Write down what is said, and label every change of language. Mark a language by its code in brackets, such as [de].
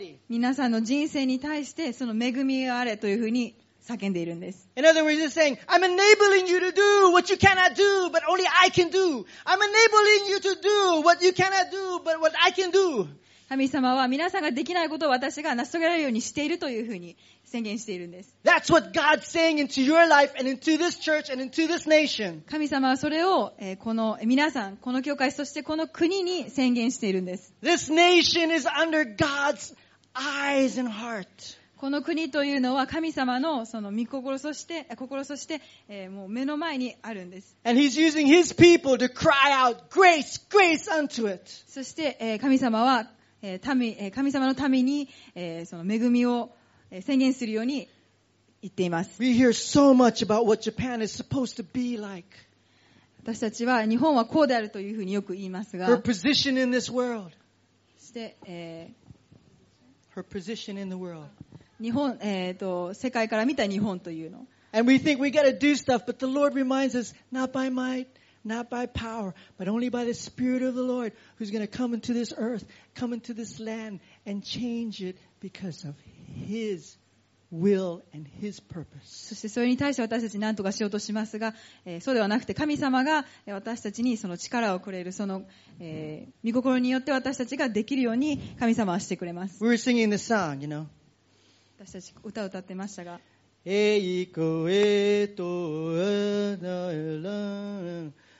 [ja] 皆さんの人生に対してその恵みがあれというふうに叫んでいるんです。 [en] In other words, you're saying, I'm enabling you to do what you cannot do, but only I can do. I'm enabling you to do what you cannot do, but what I can do. [ja] 神様は皆さんができないことを私が成し遂げられるようにしているというふうに宣言しているんです。 [en] That's what God's saying into your life and into this church and into this nation. [ja] 神様はそれをこの皆さん、この教会、そしてこの国に宣言しているんです。 [en] This nation is under God's eyes and heart. [ja] この国というのは神様のその御心、そして心、そしてもう目の前にあるんです。 [en] And he's using his people to cry out, grace, grace unto it. [ja] そして神様は神様のためにその恵みを宣言するように言っています。 [en] We hear so much about what Japan is supposed to be like. [ja] 私たちは日本はこうであるというふうによく言いますが、 [en] Her position in this world. [ja] そして、 [en] Her position in the world. [ja] 日本、世界から見た日本というの。 [en] And we think we gotta do stuff, but the Lord reminds us, not by might. Not by power, but only by the Spirit of the Lord, who's going to come into this earth, come into this land, and change it because of His will and His purpose. [ja] そしてそれに対して私たち何とかしようとしますが、そうではなくて神様が私たちにその力をくれるその、御心によって私たちができるように神様はしてくれます。 [en] We were singing this song, you know. [ja] 私たち歌を歌ってましたが。栄光と与えらん。